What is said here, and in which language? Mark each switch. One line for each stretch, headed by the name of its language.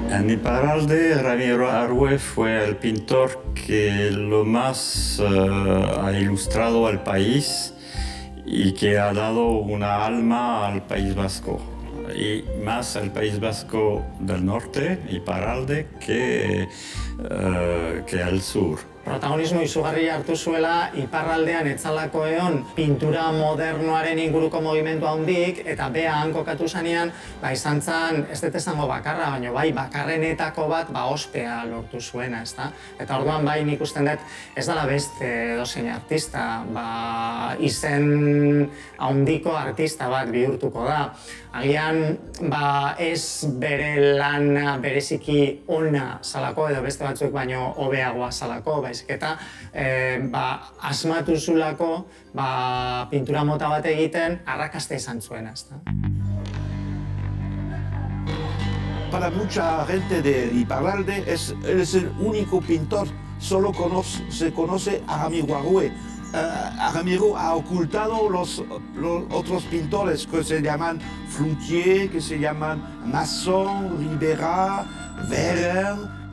Spanish: Iparralde, Ramiro Arrué fue el pintor que lo más ha ilustrado al país y que ha dado una alma al País Vasco, y más al País Vasco del norte, Iparralde, que al sur.
Basque: Protagonismo izugarri hartu zuela Iparraldean etzalako egon pintura modernoaren inguruko movimentu handik, eta behan kokatu zanean, ba, izan zan, ez dut esango bakarra, baina bai, bakarrenetako bat ba, ospea lortu zuena, ez da? Eta orduan bai nik usten dut, ez dala beste dozein artista, ba, izen handiko artista bat bihurtuko da. Agian, ba, ez bere lana bereziki ona zalako edo beste batzuk baino hobeagoa zalako, baizik eta ba, asmatu zulako ba, pintura mota bat egiten arrakaste izan zuen, ezta.
Spanish: Para mucha gente de Iparralde es el único pintor, solo se conoce a Ramiro Arrué. Ramiro ha ocultado los otros pintores que se llaman Floutier, que se llaman Masson, Ribera, Werner.